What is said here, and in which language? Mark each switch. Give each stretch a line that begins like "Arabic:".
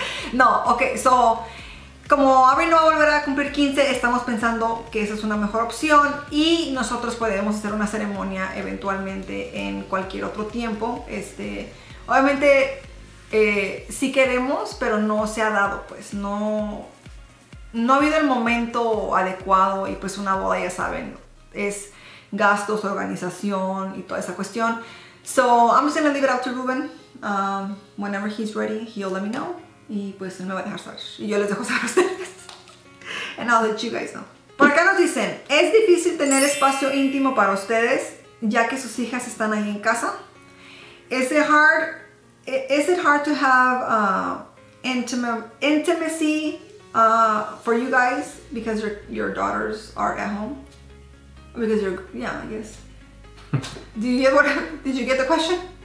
Spanish: No, okay, so como Abril no va a volver a cumplir 15, estamos pensando que esa es una mejor opción y nosotros podemos hacer una ceremonia eventualmente en cualquier otro tiempo. Obviamente sí queremos, pero no se ha dado, pues no ha habido el momento adecuado y pues una boda, ya saben, es gastos, organización y toda esa cuestión.
English: So I'm just gonna leave it up to Ruben. Whenever he's ready, he'll let me know.
Spanish: Y pues él me va a dejar saber. Y yo les dejo saber a ustedes.
English: And I'll let you guys know.
Spanish: Por acá nos dicen, ¿es difícil tener espacio íntimo para ustedes ya que sus hijas están ahí en casa?
English: Is it hard to have intimacy for you guys because your daughters are at home? Because you're, yeah, I guess. Did you get the question?